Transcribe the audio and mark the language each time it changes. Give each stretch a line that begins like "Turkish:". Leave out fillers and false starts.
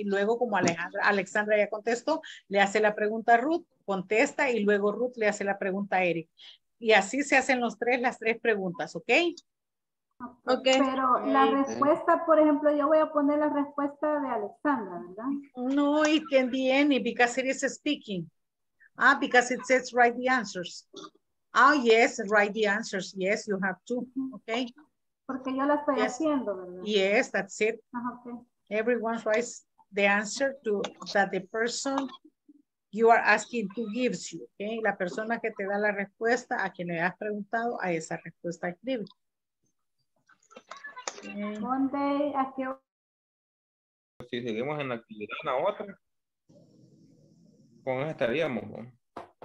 Spanish: Y luego, como Alexandra ya contestó, le hace la pregunta a Ruth, contesta, y luego Ruth le hace la pregunta a Eric. Y así se hacen las tres preguntas, ¿ok?
English: Okay.
Spanish: Pero la respuesta, por ejemplo, yo voy a poner la respuesta de Alexandra, ¿verdad?
English: No, it can be any, because it is speaking. Ah, because it says write the answers. Ah, oh, yes, write the answers. Yes, you have to, okay?
Spanish: Porque Porque yo la estoy haciendo, ¿verdad?
English: Yes, that's it. Okay. Everyone writes the answer to that the person you are asking to gives you, okay?
Spanish: La persona que te da la respuesta, a quien le has preguntado, a esa respuesta escribe.
English: Monday,
Spanish: ¿a qué hora? Si seguimos en la actividad, una otra. Con eso estaríamos, ¿no?